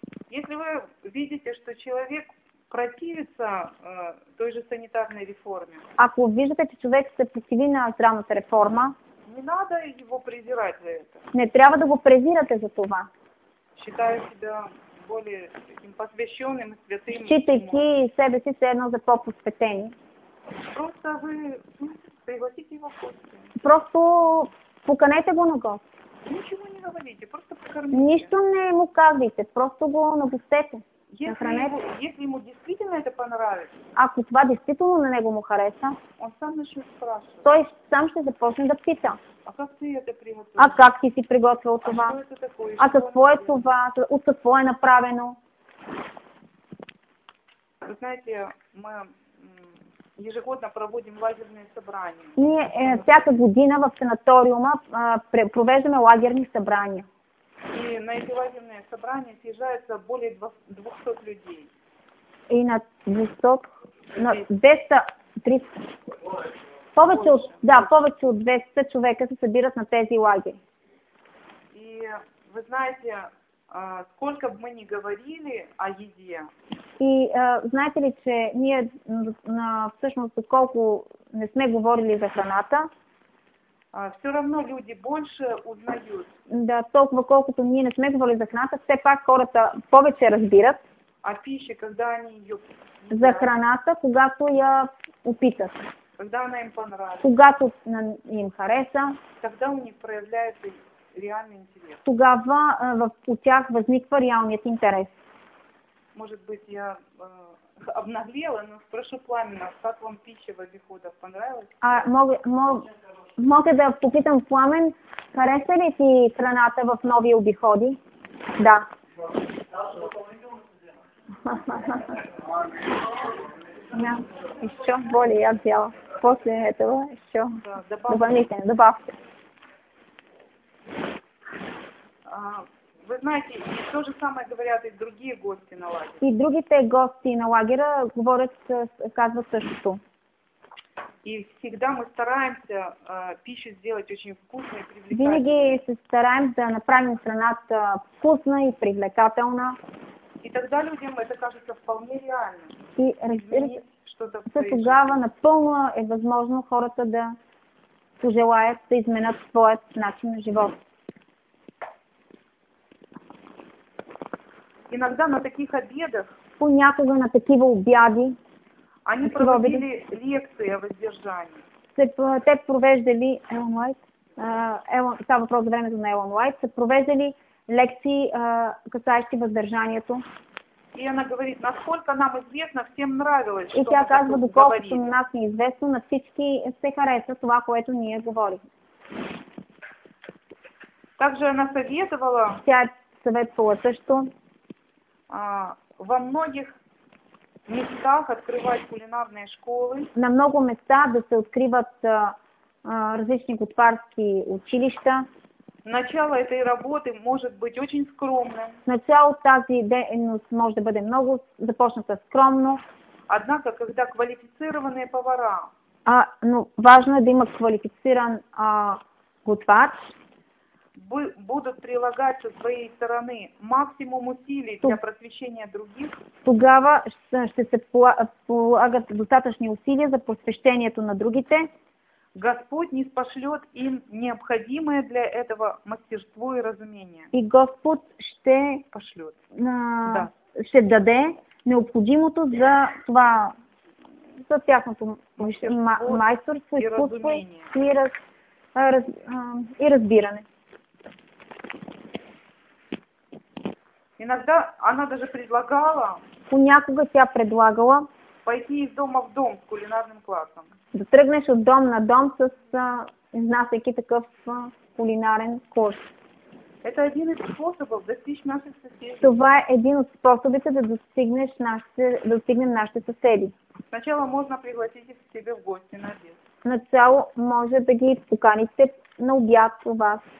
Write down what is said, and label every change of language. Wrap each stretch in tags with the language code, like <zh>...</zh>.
<ru>Если вы видите, что человек противится той же санитарной реформе.</ru> <bg>Ако виждате, че човек се противи на здравната реформа,</bg> <ru>не надо его презирать за это.</ru> <bg>Не трябва да го презирате за това.</bg> <ru>Считаю себя более таким посвященным и святым.</ru> <bg>Считайки себе си все едно за по-посветени.</bg> <ru>Просто вы пригласите его в гости.</ru> <bg>Просто поканете го на гост.</bg> <ru>Ничего не говорите, просто покормите.</ru> <bg>Нищо не му казвайте, просто го нагостете.</bg> <ru>Если ему действительно это понравится,</ru> <bg>ако това действително на него му хареса,</bg> <ru>он сам начнет спрашивать.</ru> <bg>Той сам ще започне да пита.</bg> <ru>А как ты это приготовил?</ru> <bg>А как ти си приготвил това?</bg> <ru>А что это такое?</ru> <bg>А какво е това? От какво е направено?</bg> <ru>Вы знаете, мы ежегодно проводим лазерные собрания.</ru> <bg>Ние всяка година в санаториума провеждаме лагерни събрания.</bg> <ru>И на эти лазерные собрания съезжаются более 200 людей.</ru> <bg>И на 200... На 230... Повече от, да, повече от 200 човека се събират на тези лагери.</bg> <ru>И вы знаете, сколько бы мы ни говорили о еде...</ru> <bg>И знаете ли, че ние всъщност колко не сме говорили за храната,</bg> <ru>все равно люди больше узнают.</ru> <bg>Да, толкова колкото ние не сме говорили за храната, все пак хората повече разбират.</bg> <ru>А пища, когда они ее...</ru> <bg>За храната, когато я опитат.</bg> <ru>Когда она им понравится.</ru> <bg>Когато им хареса.</bg> <ru>Тогда у них проявляется реальный интерес.</ru> <bg>Тогава у тях възниква реалният интерес.</bg> <ru>Может быть, я обнаглела, но спрошу пламенно, как вам пища в обиходах понравилась?</ru> <bg>Мога да попитам Пламен, хареса ли ти храната в нови обиходи? Да.</bg> <ru>Да, еще более я взяла. После этого еще дополнительно добавьте. Вы знаете, то же самое говорят и другие гости на лагере.</ru> <bg>И другите гости на лагере говорят, казват същото.</bg> <ru>И всегда мы стараемся пищу сделать очень вкусной и привлекательной.</ru> <bg>Винаги се стараем да направим храната вкусна и привлекателна.</bg> <ru>И тогда людям это кажется вполне реально.</ru> <bg>И разбирайте, тогава напълно е възможно хората да пожелаят да изменят своят начин на живот.</bg> <ru>Иногда на таких обедах,</ru> <bg>понякога на такива обяди,</bg> <ru>они проводили лекции о воздержании.</ru> <bg>Те провеждали Елон Уайт, става въпрос за времето на Елон Уайт, са провеждали лекции, касаещи въздържанието.</bg> <ru>И она говорит, насколько нам известно, всем нравилось,</ru> <bg>и тя казва, доколкото на нас не е известно, на всички се хареса това, което ние говорим.</bg> <ru>Также она советовала,</ru> <bg>тя съветвала също,</bg> <ru>во многих местах открывать кулинарные школы.</ru> <bg>На много места да се откриват различни готварски училища.</bg> <ru>Начало этой работы может быть очень скромным.</ru> <bg>Начало тази дейност може да бъде много започната скромно.</bg> <ru>Однако, когда квалифицированные повара.</ru> <bg>Но важно е да има квалифициран готвач.</bg> <ru>Будут прилагать со своей стороны максимум усилий для просвещения других.</ru> <bg>Тогава ще се полагат достатъчни усилия за просвещението на другите.</bg> <ru>Господь не спошлет им необходимое для этого мастерство и разумение.</ru> <bg>И Господ ще</bg> <ru>пошлет.</ru> <bg>Ще даде необходимото за това, за тяхното майсторство, изкуство и разбиране.</bg> <ru>Иногда она даже предлагала.</ru> <bg>Понякога тя предлагала</bg> <ru>пойти из дома в дом с кулинарным классом.</ru> <bg>Да тръгнеш от дом на дом с изнасяйки такъв кулинарен курс.</bg> <ru>Это один из способов достичь наших соседей.</ru> <bg>Това е един от способите да достигнеш достигнем нашите съседи.</bg> <ru>Сначала можно пригласить их к себе в гости на обед.</ru> <bg>Начало може да ги поканите на обяд у вас.</bg>